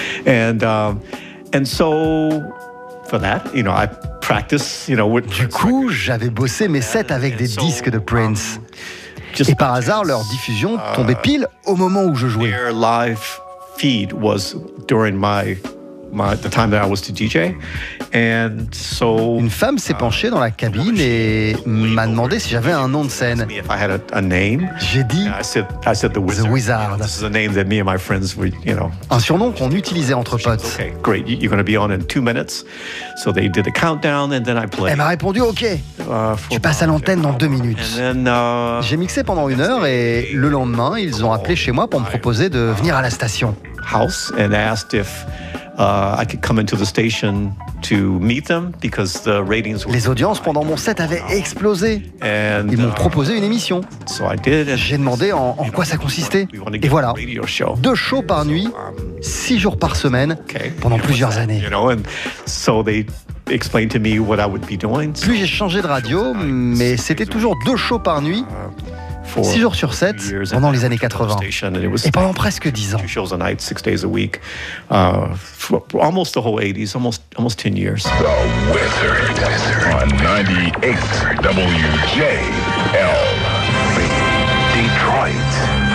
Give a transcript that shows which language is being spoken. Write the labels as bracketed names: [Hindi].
[English] And so, for that, you know, I practiced, you know, [French] du coup, j'avais bossé mes sets avec des disques de Prince. Et par hasard, leur diffusion tombait pile au moment où je jouais. [English] Their live feed was during my the time that I was to DJ, and so [French] une femme s'est penchée dans la cabine et m'a demandé si j'avais un nom de scène. [English] I had a name. [French] J'ai dit. [English] I said the Wizard. The Wizard. This is a name that me and my friends would, you know. [French] Un surnom qu'on utilisait entre potes. [English] Okay, great. You're going to be on in 2 minutes. So they did the countdown and then I played. [French] Elle m'a répondu OK. Tu passes à l'antenne dans 2 minutes. [English] And then, [French] j'ai mixé pendant une heure et le lendemain ils ont appelé chez moi pour me proposer de venir à la station. [English] House and asked if I could come into the station to meet them because the ratings were. [French] Les audiences pendant mon set avaient explosé. Ils m'ont proposé une émission. [English] So I did. [French] J'ai demandé en quoi ça consistait. Et voilà, [English] radio show. [French] 2 shows par nuit, 6 jours par semaine, [English] okay. [French] Pendant plusieurs années. [English] You know, and so they explained to me what I would be doing. [French] Puis j'ai changé de radio, mais c'était toujours 2 shows par nuit. 6 jours sur 7 pendant les années 80 et pendant presque 10 ans. 2 [English] shows a night, 6 days a week, almost the whole 80s, almost 10 years. The Wizard on 98 WJLB Detroit.